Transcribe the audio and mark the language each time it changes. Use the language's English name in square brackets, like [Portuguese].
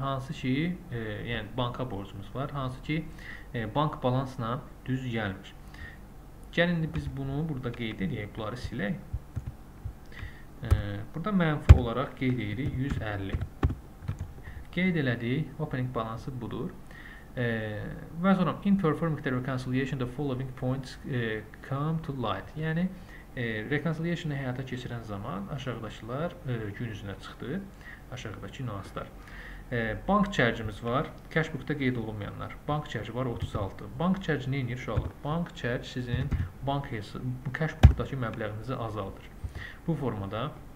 [Azerbaijani] Hansı ki, yəni banka borcumuz var. Hansı ki, bank balansına düz gəlmir. Gəlin biz bunu burada qeyd edək, bunları silək. Burada mənfi olaraq qeyd edirik 150. Qeyd elədik, opening balansı budur. Və sonra [English] in performing the reconciliation the following points come to light. [Azerbaijani] Yəni reconciliation-ı həyata keçirən zaman aşağıdakılar gün üzünə çıxdı. Aşağıdakı nüanslar. Bank çərcimiz var. Cashbook-da qeyd olunmayanlar. Bank çərci var 36. Bank çərci nə edir uşaqlar? Bank çərc sizin bank hesabı cashbook-dakı məbləğinizi azaldır. Bu formada.